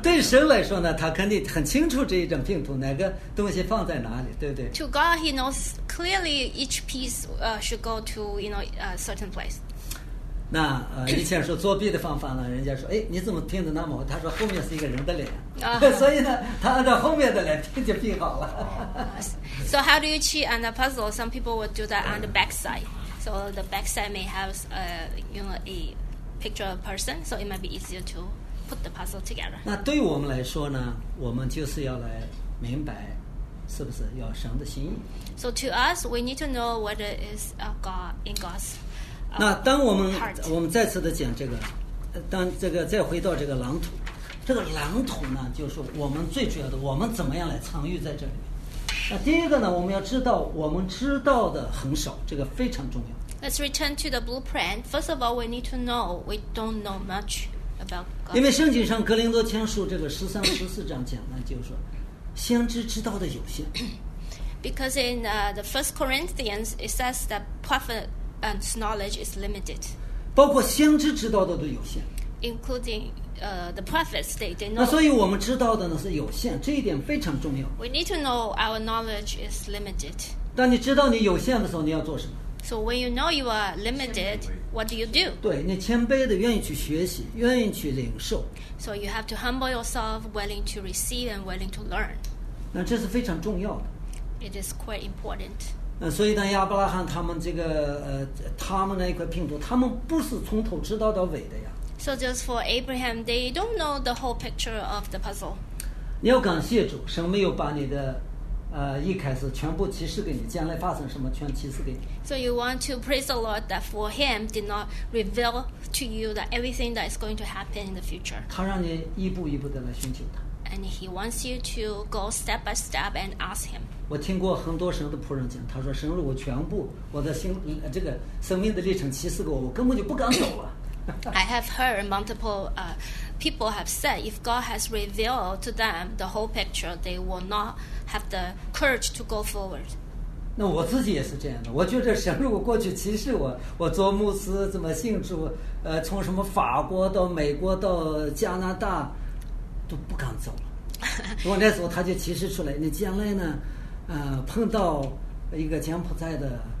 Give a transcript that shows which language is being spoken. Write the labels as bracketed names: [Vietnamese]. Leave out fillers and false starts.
[Chinese] 对神来说呢，他肯定很清楚这一张拼图哪个东西放在哪里，对不对 [English] ？To God, He knows clearly each piece should go to you know a certain place. [Chinese] 那以前说作弊的方法呢，人家说，哎，你怎么拼的那么？他说后面是一个人的脸。所以呢，他按照后面的脸拼就拼好了。 [English] So how do you cheat on the puzzle? Some people would do that on the back side. So the back side may have you know, a picture of a person, so it might be easier to put the puzzle together. [Chinese] 那对我们来说呢，我们就是要来明白，是不是要神的心意 [English] ？So to us, we need to know whether is God in God's heart. [Chinese] 那当我们再次的讲这个，当这个再回到这个狼图。这个狼图呢，就是我们最主要的，我们怎么样来参与在这里？那第一个呢，我们要知道我们知道的很少，这个非常重要。 [English] Let's return to the blueprint. First of all, we need to know we don't know much about God. [Chinese] 因为圣经上《哥林多前书》这个十三、十四章讲呢，就是说，先知知道的有限。 [English] Because in the First Corinthians, it says that prophet's knowledge is limited. [Chinese] 包括先知知道的都有限。 [English] Including the prophets, they know. [Chinese] 那所以我们知道的呢是有限，这一点非常重要。 [English] We need to know our knowledge is limited. [Chinese] 当你知道你有限的时候，你要做什么 [English] ？So when you know you are limited, what do you do? [Chinese] 对，你谦卑的，愿意去学习，愿意去领受。 [English] So you have to humble yourself, willing to receive and willing to learn. [Chinese] 那这是非常重要的。 [English] It is quite important. [Chinese] 那所以呢，亚伯拉罕他们这个他们那一块拼图，他们不是从头知道到尾的呀。 [English] So just for Abraham, they don't know the whole picture of the puzzle. [Chinese] 你要感谢主，神没有把你的，一开始全部启示给你，将来发生什么全启示给你。 [English] So you want to praise the Lord that for him did not reveal to you that everything that is going to happen in the future. [Chinese] 他让你一步一步的来寻求他。 [English] And he wants you to go step by step and ask him. [Chinese] 我听过很多神的仆人讲，他说神如果全部我的心这个生命的历程启示给我，我根本就不敢走了。 [English] I have heard multiple people have said if God has revealed to them the whole picture, they will not have the courage to go forward. [Chinese] 那我自己也是这样的。我觉得神如果过去启示我，我做牧师怎么信主，从什么法国到美国到加拿大，都不敢走了。如果那时候他就启示出来，你将来呢，碰到一个柬埔寨的。